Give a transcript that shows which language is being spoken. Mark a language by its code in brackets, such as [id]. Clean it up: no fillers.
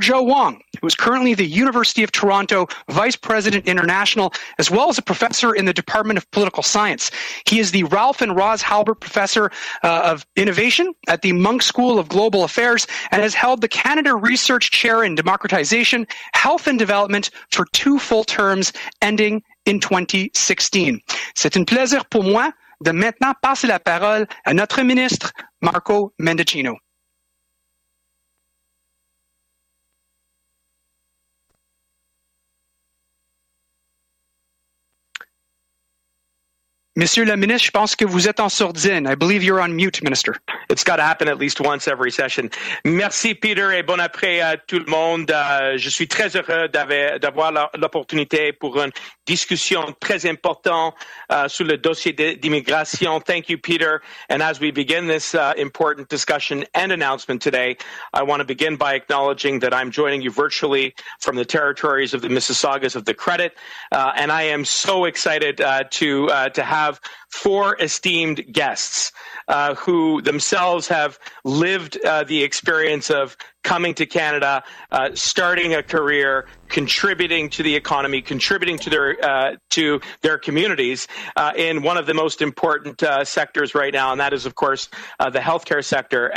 [en] Joe Wong, who is currently the University of Toronto Vice President International, as well as a professor in the Department of Political Science. He is the Ralph and Roz Halbert Professor of Innovation at the Monk School of Global Affairs and has held the Canada Research Chair in Democratization, Health and Development for two full terms ending in 2016. [fr] C'est un plaisir pour moi de maintenant passer la parole à notre ministre, Marco Mendicino. Monsieur le ministre, je pense que vous êtes en sourdine. [en] I believe you're on mute, Minister. It's got to happen at least once every session. [fr] Merci, Peter, et bon après à tout le monde. Je suis très heureux d'avoir l'opportunité pour une discussion très importante sur le dossier d'immigration. [en] Thank you, Peter. And as we begin this important discussion and announcement today, I want to begin by acknowledging that I'm joining you virtually from the territories of the Mississaugas of the Credit. And I am so excited to have four esteemed guests who themselves have lived the experience of coming to Canada, starting a career, contributing to the economy, contributing to their communities in one of the most important sectors right now, and that is, of course, the healthcare sector.